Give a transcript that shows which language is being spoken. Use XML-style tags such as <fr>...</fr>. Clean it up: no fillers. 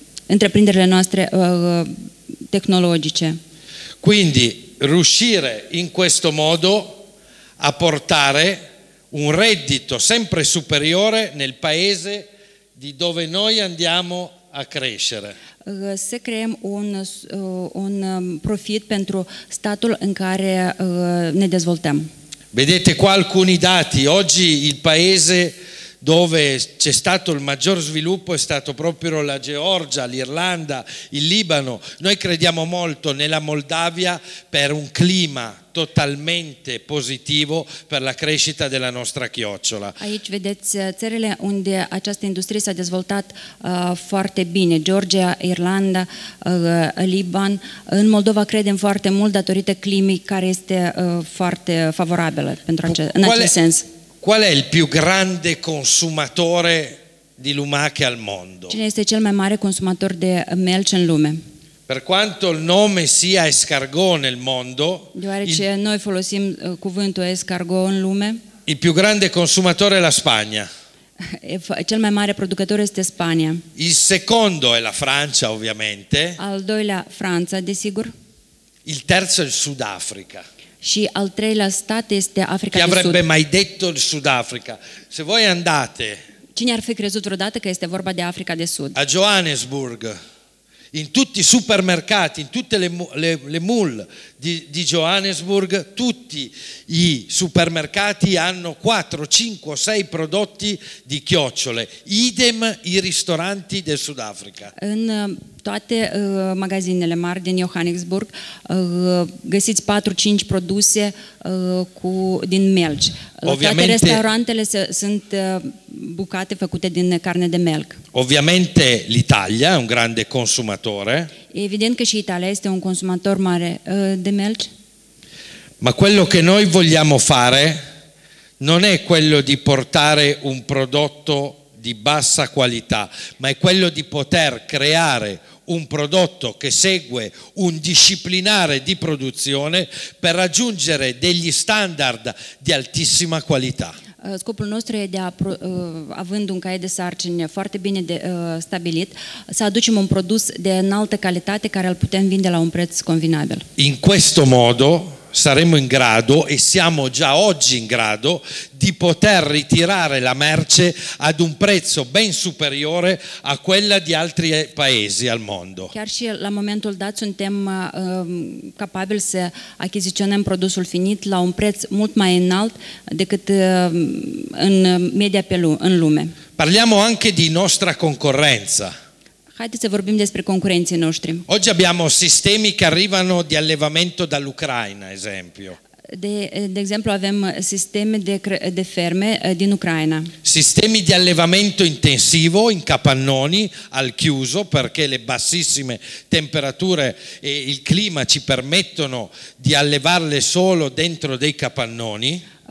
<ro>întreprinderile noastre tehnologice.</ro> <it>Quindi riuscire in questo modo a portare un reddito sempre superiore nel paese di dove noi andiamo a crescere.</it> <ro>Să creăm un profit pentru statul în care ne dezvoltăm.</ro> <it>Vedete qua alcuni dati. Oggi il paese dove c'è stato il maggior sviluppo è stato proprio la Georgia, l'Irlanda, il Libano. Noi crediamo molto nella Moldavia per un clima totalmente positivo per la crescita della nostra chiocciola.</it> <ro>Aici vedeți țările unde această industrie s-a dezvoltat foarte bine, Georgia, Irlanda, Liban. În Moldova credem foarte mult datorită climii care este foarte favorabilă pentru în acest sens.</ro> <it>Qual è il più grande consumatore di lumache al mondo?</it> <ro>Cine este cel mai mare consumator de melci în lume?</ro> <it>Per quanto il nome sia escargot nel mondo,</it> <ro>deoarece noi folosim cuvântul escargot în lume,</ro> <it>il più grande consumatore è la Spagna.</it> <ro>Cel mai mare producător este Spania.</ro> <it>Il secondo è la Francia, ovviamente.</it> <ro>Al doilea, Franța, desigur.</ro> <it>Il terzo è il Sudafrica.</it> <ro>Și al treilea stat este Africa de Sud.</ro> <it>Chi avrebbe mai detto il Sudafrica? Se voi andate...</it> <ro>Cine ar fi crezut vreodată că este vorba de Africa de Sud?</ro> <it>A Johannesburg, in tutti i supermercati, in tutte le mall di Johannesburg, tutti i supermercati hanno 4, 5, 6 prodotti di chiocciole. Idem i ristoranti del Sudafrica.</it> <ro>În toate magazinele mari din Johannesburg găsiți 4, 5 produse din melci.</ro> <it>Ovviamente,</it> <ro>toate restaurantele sunt bucate făcute din carne de melc.</ro> <it>Ovviamente l'Italia è un grande consumatore.</it> <ro>Evident că și Italia este un consumator mare de melci.</ro> <it>Ma quello che noi vogliamo fare non è quello di portare un prodotto di bassa qualità, ma è quello di poter creare un prodotto che segue un disciplinare di produzione per raggiungere degli standard di altissima qualità.</it> <ro>Scopul nostru e de a, având un caiet de sarcini foarte bine stabilit, să aducem un produs de înaltă calitate care îl putem vinde la un preț convenabil.</ro> <it>In questo modo saremo in grado e siamo già oggi in grado di poter ritirare la merce ad un prezzo ben superiore a quella di altri paesi al mondo.</it> <ro>Chiar și la momentul dat suntem capabili să achiziționăm produsul finit la un preț mult mai înalt decât în media în lume.</ro> <it>Parliamo anche di nostra concorrenza.</it> <ro>Haideți să vorbim despre concurenții noștri.</ro> <it>Oggi abbiamo sistemi che arrivano di allevamento dall'Ucraina, esempio.</it> <ro>De exemplu, avem sisteme de ferme din Ucraina.</ro> <it>Sistemi di allevamento intensivo in capannoni al chiuso perché le bassissime temperature e il clima ci permettono di allevarle solo dentro dei capannoni.</it>